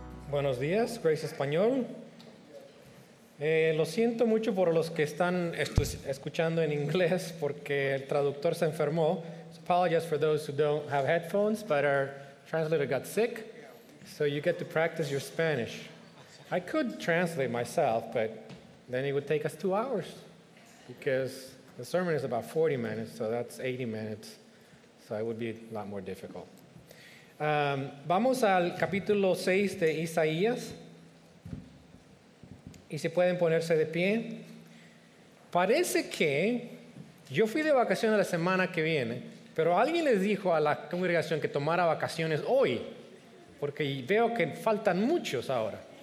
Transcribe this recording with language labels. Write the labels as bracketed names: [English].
[Spanish] Buenos días, Grace Español. Lo siento mucho por los que están escuchando en inglés porque el traductor se enfermó. [English] So apologize for those who don't have headphones, but our translator got sick. So you get to practice your Spanish. I could translate myself, but then it would take us 2 hours because the sermon is about 40 minutes, so that's 80 minutes. So it would be a lot more difficult. [Spanish] Vamos al capítulo 6 de Isaías. Y si pueden ponerse de pie. Parece que yo fui de vacaciones la semana que viene, pero alguien les dijo a la congregación que tomara vacaciones hoy, porque veo que faltan muchos ahora.